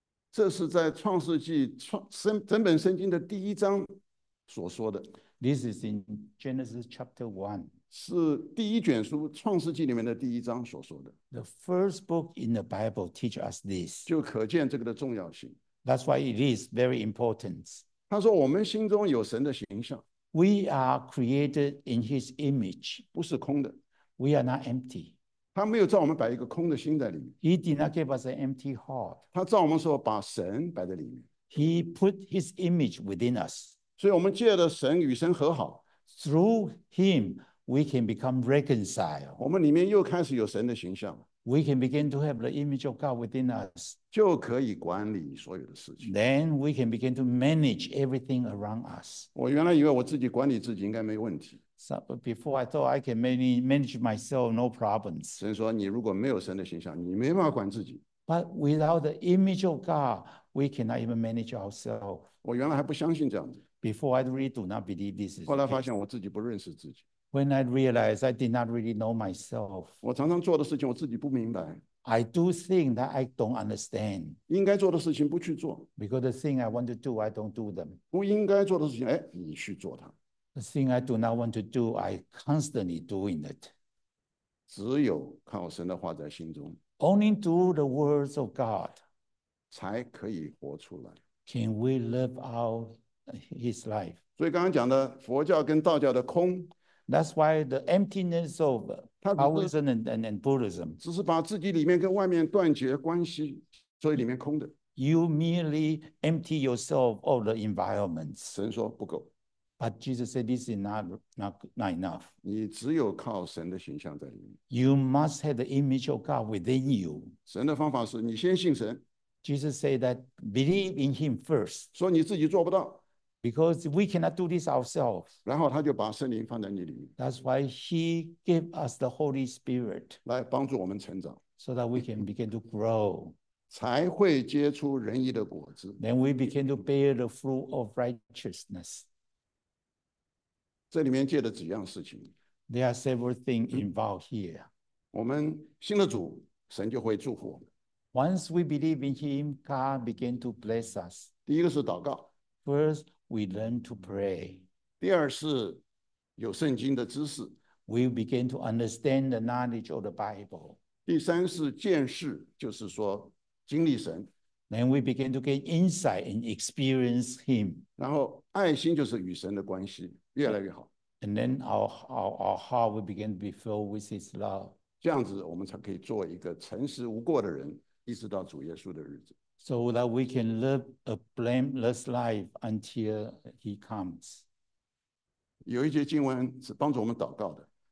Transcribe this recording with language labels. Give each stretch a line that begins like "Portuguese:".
Chinese: 这是在创世纪整本圣经的第一章所说的。
English: This is in Genesis chapter 1.
Chinese: 是第一卷书创世纪里面的第一章所说的。
English: The first book in the Bible teach us this.
Chinese: 就可见这个的重要性。
English: That's why it is very important.
Chinese: 他说我们心中有神的形象。
English: We are created in his image.
Chinese: 不是空的。
English: We are not empty.
Chinese: 他没有叫我们摆一个空的心在里面。
English: He did not give us an empty heart.
Chinese: 他叫我们说把神摆在里面。
English: He put his image within us.
Chinese: 所以我们借着神与神和好。
English: Through him, we can become reconciled.
Chinese: 我们里面又开始有神的形象。
English: We can begin to have the image of God within us.
Chinese: 就可以管理所有的事情。
English: Then we can begin to manage everything around us.
Chinese: 我原来以为我自己管理自己应该没问题。
English: So, but before I thought I can manage myself, no problems.
Chinese: 神说你如果没有神的形象，你没办法管自己。
English: But without the image of God, we cannot even manage ourselves.
Chinese: 我原来还不相信这样子。
English: Before I really do not believe this.
Chinese: 后来发现我自己不认识自己。
English: When I realized I did not really know myself.
Chinese: 我常常做的事情我自己不明白。
English: I do things that I don't understand.
Chinese: 应该做的事情不去做。
English: Because the thing I want to do, I don't do them.
Chinese: 不应该做的事情，哎，你去做它。
English: The thing I do not want to do, I constantly doing it.
Chinese: 只有靠神的话在心中。
English: Only through the words of God.
Chinese: 才可以活出来。
English: Can we live out his life?
Chinese: 所以刚刚讲的佛教跟道教的空。
English: That's why the emptiness of Taoism and Buddhism.
Chinese: 只是把自己里面跟外面断绝关系，所以里面空的。
English: You merely empty yourself of the environment.
Chinese: 神说不够。
English: But Jesus said, "This is not enough."
Chinese: 你只有靠神的形象在里面。
English: You must have the image of God within you.
Chinese: 神的方法是你先信神。
English: Jesus said that believe in Him first.
Chinese: 说你自己做不到。
English: Because we cannot do this ourselves.
Chinese: 然后他就把圣灵放在你里面。
English: That's why He gave us the Holy Spirit.
Chinese: 来帮助我们成长。
English: So that we can begin to grow.
Chinese: 才会结出仁义的果子。
English: Then we begin to bear the fruit of righteousness.
Chinese: 这里面借的几样事情。
English: There are several things involved here.
Chinese: 我们信了主，神就会祝福我们。
English: Once we believe in Him, God began to bless us.
Chinese: 第一个是祷告。
English: First, we learn to pray.
Chinese: 第二是有圣经的知识。
English: We begin to understand the knowledge of the Bible.
Chinese: 第三是见识，就是说经历神。
English: Then we begin to get insight and experience Him.
Chinese: 然后爱心就是与神的关系。越来越好。
English: And then our heart will begin to be filled with His love.
Chinese: 这样子我们才可以做一个诚实无过的人，一直到主耶稣的日子。
English: So that we can live a blameless life until He comes.
Chinese: 有一节经文是帮助我们祷告的。